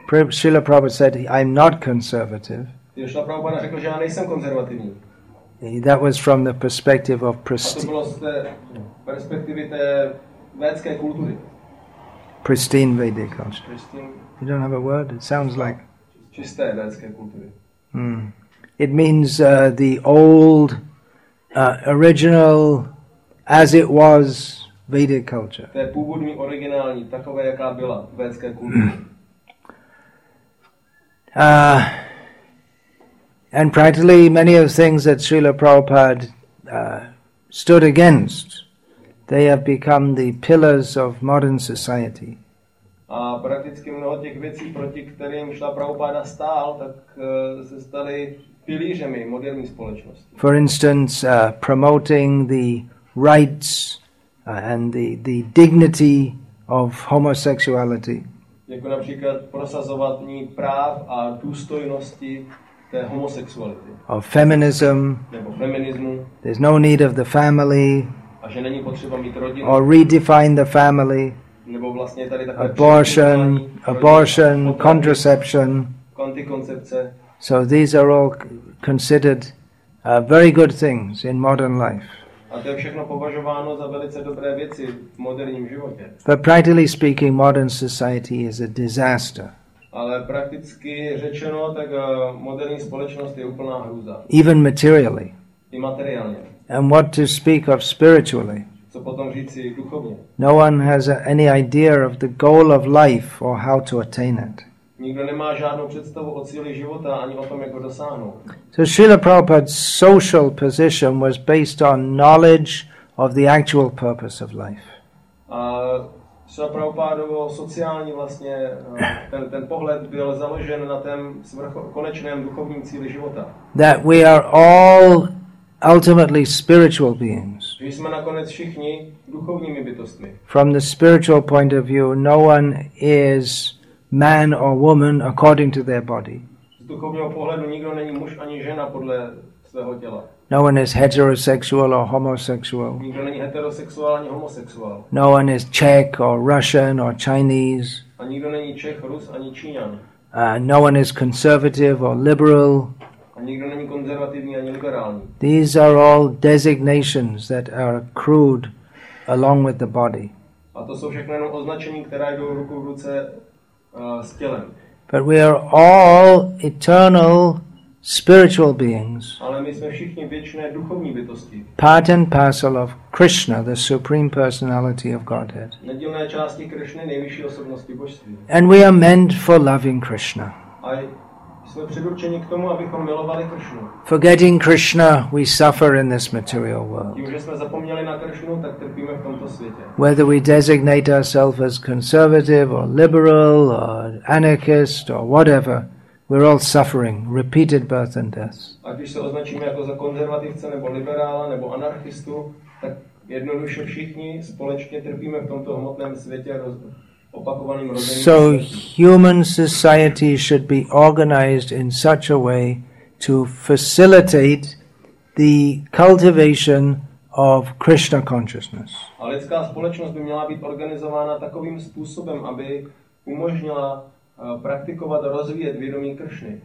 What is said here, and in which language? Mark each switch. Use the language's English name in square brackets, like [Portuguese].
[English] Srila Prabhupada said I'm not conservative. [Czech] Srila Prabhupada řekl, že já nejsem konzervativní. [English] That was from the perspective of [Czech] pristine. A to bylo z té perspektivy té védské kultury. [English] Pristine Vedic culture. Pristine. You don't have a word? It sounds like [Czech] čisté védské kultury. [English] It means the old original as it was Vedic culture. [Czech] To je původní originální, takové jaká byla védská kultura. [English] And practically many of the things that Srila Prabhupada stood against, they have become the pillars of modern society. [Czech] A prakticky mnoho těch věcí, proti kterým Srila Prabhupada stál, tak se staly pilířemi moderní společnosti. [English] For instance, promoting the rights and the dignity of homosexuality. [Czech] Jako například prosazování práv a důstojnosti té homosexuality. [English] Of feminism. [Czech] Nebo feminismu. [English] There's no need of the family. [Czech] A že není potřeba mít rodinu. [English] Or redefine the family. [Czech] Nebo vlastně tady takové [English] abortion, contraception. [Czech] Kontikoncepce. [English] So these are all considered very good things in modern life. [Czech] A to je všechno považováno za velice dobré věci v moderním životě. [English] But practically speaking, modern society is a disaster. [Czech] Ale prakticky řečeno, tak moderní společnost je úplná hrůza. [English] Even materially. [Czech] I materiálně. [English] And what to speak of spiritually. [Czech] Co potom říci duchovně? [English] No one has any idea of the goal of life or how to attain it. [Czech] Nikdo nemá žádnou představu o cíli života ani o tom, jak ho dosáhnout. [English] So Srila Prabhupada's social position was based on knowledge of the actual purpose of life. [Czech] Srila Prabhupádovo sociální vlastně ten pohled byl založen na tom konečném duchovním cíli života. [English] That we are all ultimately spiritual beings. [Czech] Že jsme nakonec všichni duchovními bytostmi. [English] From the spiritual point of view, no one is man or woman according to their body. [Czech] Z duchovního pohledu nikdo není muž ani žena podle svého těla. [English] No one is heterosexual or homosexual. [Czech] Nikdo není heterosexuál ani homosexuál. [English] No one is Czech or Russian or Chinese. [Czech] A nikdo není Čech, Rus ani Číňan. [English] No one is conservative or liberal. [Czech] Nikdo není konzervativní ani liberální. [English] These are all designations that are accrued along with the body. [Czech] A to jsou všechno jenom označení, která jdou ruku v ruce s tělem. [English] But we are all eternal spiritual beings, [Czech] ale my jsme všichni věčné duchovní bytosti. [English] Part and parcel of Krishna, the Supreme Personality of Godhead. [Czech] Nedílné části Krishny, nejvyšší osobnosti božství. [English] And we are meant for loving Krishna. [Czech] A jsme předurčeni k tomu, abychom milovali Krishnu. [English] Forgetting Krishna, we suffer in this material world. [Czech] Tím, že jsme zapomněli na Krishnu, tak trpíme v tomto světě. [English] Whether we designate ourselves as conservative or liberal or anarchist or whatever, we're all suffering repeated birth and death. [Czech] A když se označíme jako za konzervativce nebo liberála nebo anarchistu, tak jednoduše všichni společně trpíme v tomto hmotném světě opakovaným rozením. [English] So human society should be organized in such a way to facilitate the cultivation of Krishna consciousness. [Czech] A lidská společnost by měla být organizována takovým způsobem, aby umožnila praktikovat a rozvíjet vědomí Kršny.